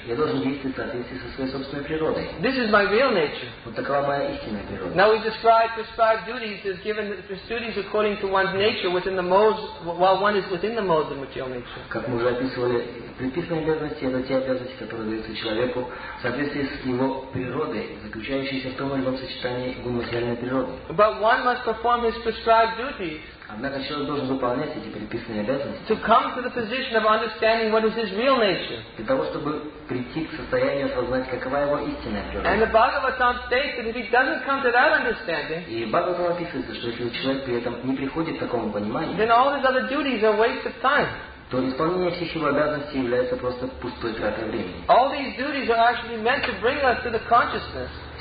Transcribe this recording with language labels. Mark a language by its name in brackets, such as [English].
[Russian] Я должен действовать в соответствии со своей собственной природой. [English] This is my real nature. [Russian] Вот такова моя истинная природа. [English] Now we describe prescribed duties as given the duties according to one's nature within the modes while one is within the modes of material nature. [Russian] Как мы уже описывали, предписанные обязанности — это те обязанности, которые даются человеку в соответствии с его природой, заключающиеся в том или ином сочетании его материальной природы. [English] But one must perform his prescribed duties. [Russian] Однако человек должен выполнять эти предписанные обязанности. [English] To come to the position of understanding what is his real nature. [Russian] Для того, чтобы прийти к состоянию осознать, какова его истинная природа. [English] And the Bhagavatam states that if he doesn't come to that understanding. [Russian] И Бхагаватам описывается, что если человек при этом не приходит к такому пониманию. [English] Then all his other duties are a waste of time. [Russian] То исполнение всех его обязанностей является просто пустой тратой времени. [English] All these duties are actually meant to bring us to the consciousness.